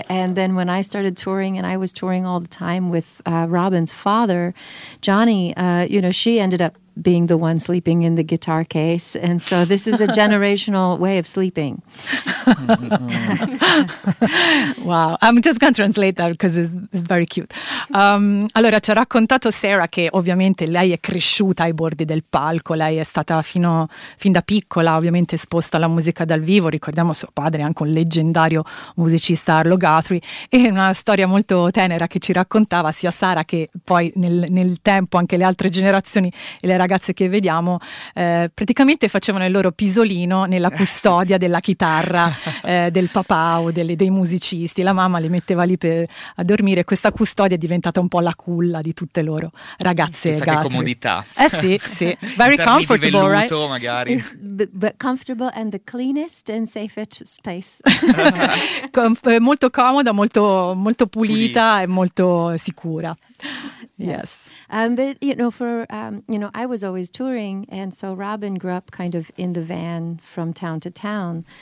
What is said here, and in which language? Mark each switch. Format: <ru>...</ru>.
<en>And then when I started touring, and I was touring all the time with Robin's father, Johnny, you know, she ended up being the one sleeping in the guitar case. And so this is a generational way of sleeping. Wow, I'm just going to translate that because it's very cute.</en> <it>Allora, ci ha raccontato Sarah che ovviamente lei è cresciuta ai bordi del palco, lei è stata fin da piccola ovviamente esposta alla musica dal vivo, ricordiamo suo padre è anche un leggendario musicista, Arlo Guthrie, e una storia molto tenera che ci raccontava sia Sarah che poi nel tempo anche le altre generazioni e le ragazze che vediamo praticamente facevano il loro pisolino nella custodia della chitarra del papà o dei musicisti, la mamma li metteva lì a dormire, questa custodia è diventata un po' la culla di tutte loro ragazze. Chissà che comodità.</it> <en>Sì, very comfortable,</en> <it>di velluto,</it> <en>right?</en> <it>Magari.</it> <en>But comfortable and the cleanest and safest space.</en> <it>Molto comoda, molto, molto pulita e molto sicura.</it> <en>Yes. But you know, I was always touring, and so Robin grew up kind of in the van from town to town.</en>